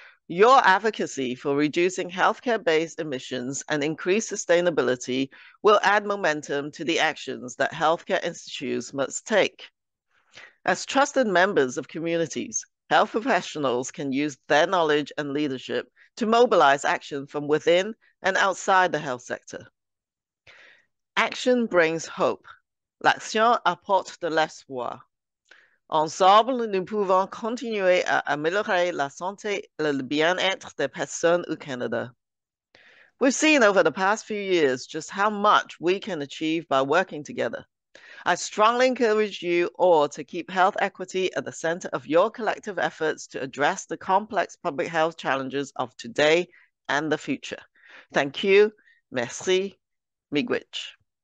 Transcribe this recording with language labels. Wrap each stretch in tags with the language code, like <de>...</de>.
<en>Your advocacy for reducing healthcare-based emissions and increased sustainability will add momentum to the actions that healthcare institutes must take. As trusted members of communities, health professionals can use their knowledge and leadership to mobilize action from within and outside the health sector. Action brings hope.</en> <fr>L'action apporte de l'espoir. Ensemble, nous pouvons continuer à améliorer la santé et le bien-être des personnes au Canada.</fr> <en>We've seen over the past few years just how much we can achieve by working together. I strongly encourage you all to keep health equity at the center of your collective efforts to address the complex public health challenges of today and the future. Thank you. Merci. Miigwech.</en>